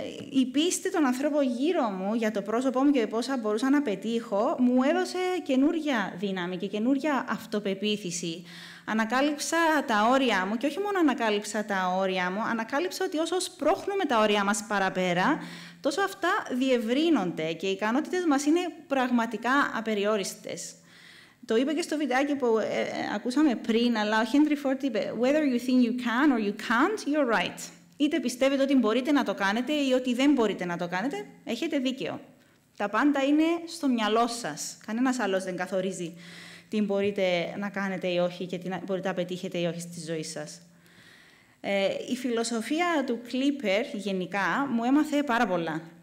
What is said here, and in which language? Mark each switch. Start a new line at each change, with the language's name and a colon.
Greek: Η πίστη των ανθρώπων γύρω μου για το πρόσωπό μου και πόσα μπορούσα να πετύχω, μου έδωσε καινούρια δύναμη και καινούρια αυτοπεποίθηση. Ανακάλυψα τα όρια μου και όχι μόνο ανακάλυψα τα όρια μου, ανακάλυψα ότι όσο σπρώχνουμε τα όρια μας παραπέρα, τόσο αυτά διευρύνονται και οι ικανότητες μας είναι πραγματικά απεριόριστες. Το είπε και στο βιντεάκι που ακούσαμε πριν, αλλά ο Henry Ford είπε
English: «Whether you think you can or you can't, you're right».
Greek: Είτε πιστεύετε ότι μπορείτε να το κάνετε ή ότι δεν μπορείτε να το κάνετε, έχετε δίκαιο. Τα πάντα είναι στο μυαλό σας. Κανένας άλλος δεν καθορίζει τι μπορείτε να κάνετε ή όχι και τι μπορείτε να πετύχετε ή όχι στη ζωή σας. Η φιλοσοφία του Clipper γενικά μου έμαθε πάρα πολλά.